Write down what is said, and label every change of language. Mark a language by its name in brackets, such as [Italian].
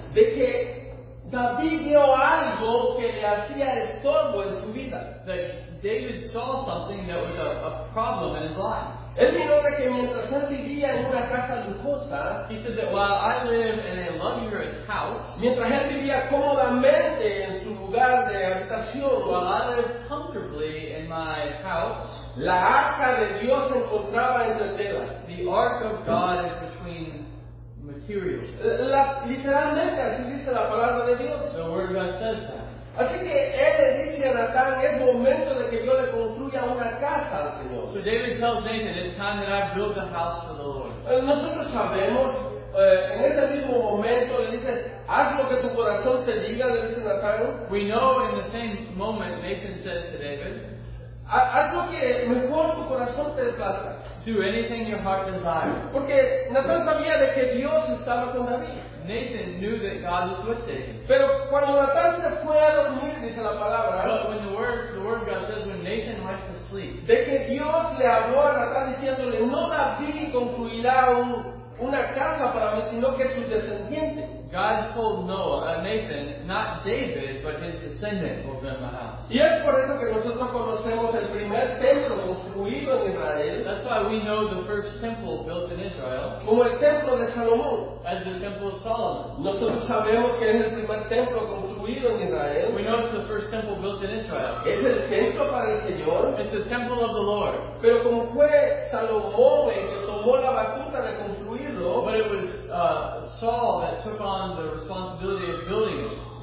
[Spanish] De que David vio algo que le hacía estorbo en su vida. [English] That David saw something that was a problem in his life. [Spanish] Él miró de que mientras él vivía en una casa lujosa, [English] he said that while I live in a luxurious house, [Spanish] mientras él vivía cómodamente en su lugar de habitación, [English] while I lived comfortably in my house, [Spanish] la arca de Dios se encontraba entre telas. [English] The ark of God is between materials. [Spanish] Literalmente así dice la palabra de Dios. [English] The word of God says that. [Spanish] Así que él le dice a Natán, es momento de que yo le construya una casa al Señor. [English] So David tells Nathan, it's time that I build a house for the Lord. [Spanish] Nosotros sabemos, en este mismo momento le dice, haz lo que tu corazón te diga, le dice Natán. [English] We know in the same moment Nathan says to David, [Spanish] haz lo que mejor tu corazón te plaza. [English] Do anything your heart desires. [Spanish] Porque Natán sabía de que Dios estaba con David. [English] Nathan knew that God was with David. [Spanish] Pero cuando Natán se fue a dormir, dice la palabra. [English] But when the word of God says when Nathan went to sleep. [Spanish] De que Dios le habló a Natán diciéndole, no David concluirá una casa para mí, sino que su descendiente. [English] God told Nathan, not David, but his descendant will build a house. [Spanish] Y es por eso que nosotros conocemos el primer templo construido en Israel. [English] That's why we know the first temple built in Israel. [Spanish] Como el templo de Salomón. [English] As the temple of Solomon. [Spanish] Nosotros sabemos que es el primer templo construido en Israel. [English] We know it's the first temple built in Israel. [Spanish] Es el templo para el Señor. [English] It's the temple of the Lord. [Spanish] Pero como fue Salomón el que tomó la batuta de construirlo. [English] But it was Saul that took on the responsibility of building it.